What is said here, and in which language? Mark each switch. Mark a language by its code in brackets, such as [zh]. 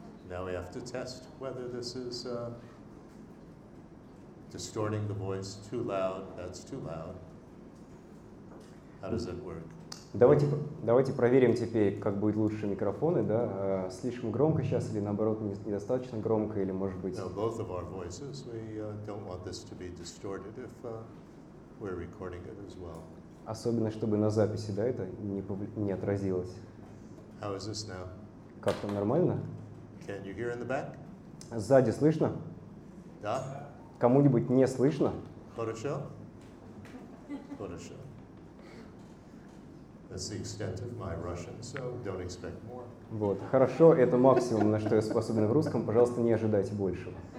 [en] Now we have to test whether this is distorting the voice too loud. That's too loud. How does it work? [ru] Давайте проверим теперь, как будет лучше микрофоны, да? Слишком громко сейчас или наоборот недостаточно громко или может быть? [en] Now both of our voices. We don't want this to be distorted if we're recording it as well. [ru] Особенно чтобы на записи, да, это не отразилось. [en] How is this now? [ru] Как там нормально? [en] Can you hear in the back? [ru] Сзади слышно? Да. Кому-нибудь не слышно? Хорошо. Хорошо. [en] That's the extent of my Russian, so don't expect more. [ru] Вот, хорошо, это максимум, на что я способен в русском. Пожалуйста, не ожидайте большего.